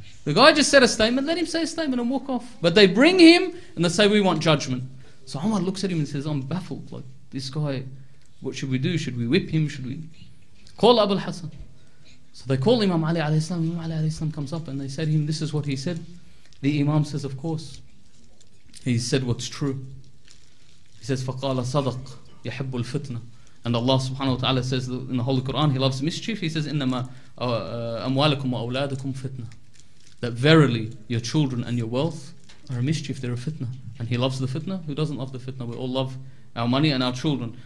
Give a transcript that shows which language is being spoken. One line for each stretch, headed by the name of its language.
English: The guy just said a statement, let him say a statement and walk off. But they bring him and they say, we want judgment. So Umar looks at him and says, I'm baffled. Like, this guy, what should we do? Should we whip him? Should we call Abu al-Hasan? So they call Imam Ali alayhi salam. Imam Ali alayhi salam comes up and they say to him, this is what he said. The Imam says, of course. He said what's true. He says,
Arabic: فَقَالَ صَدَقْ يَحِبُّ الْفِتْنَةِ.
English: And Allah subhanahu wa ta'ala says in the Holy Quran, he loves mischief. He says,
Arabic: إِنَّمَا أَمْوَالَكُمْ وَأَوْلَادَكُمْ فِتْنَةِ.
English: That verily your children and your wealth are a mischief, they're a fitna. And he loves the fitna. Who doesn't love the fitna? We all love our money and our children.